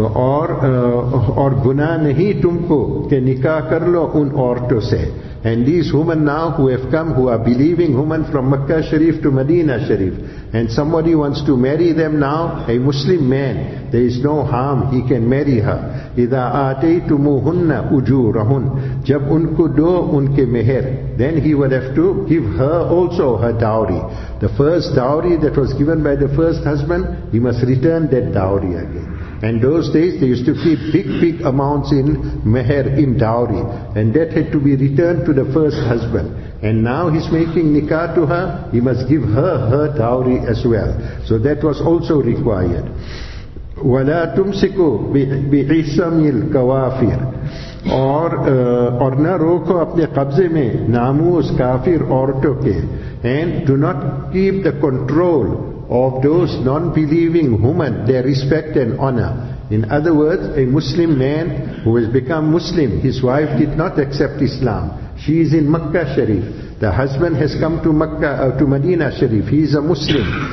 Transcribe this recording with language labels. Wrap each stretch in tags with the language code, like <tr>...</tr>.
<ur>اور گناہ نہیں تم کو کہ نکاح کر لو ان عورتوں سے.</ur> <en>And these women now who have come, who are believing women from Makkah Sharif to Medina Sharif, and somebody wants to marry them now, a Muslim man, there is no harm, he can marry her.</en> <ar>إِذَا آتَيْتُمُوهُنَّ أُجُورَهُنَّ.</ar> <ur>جب ان کو دو ان کے مہر,</ur> <en>then he will have to give her also her dowry. The first dowry that was given by the first husband, he must return that dowry again. And those days they used to keep big amounts in meher, in dowry. And that had to be returned to the first husband. And now he's making nikah to her, he must give her dowry as well. So that was also required.</en> <ar>وَلَا تُمْسِكُوا بِعِسَمِ الْكَوَافِرِ.</ar> <ur>اور نہ روکو اپنے قبضے میں ناموس کافر عورتوں کے.</ur> <en>And do not keep the control of those non-believing women, their respect and honor. In other words, a Muslim man who has become Muslim, his wife did not accept Islam. She is in Makkah Sharif. The husband has come to Makkah, to Medina Sharif. He is a Muslim.</en>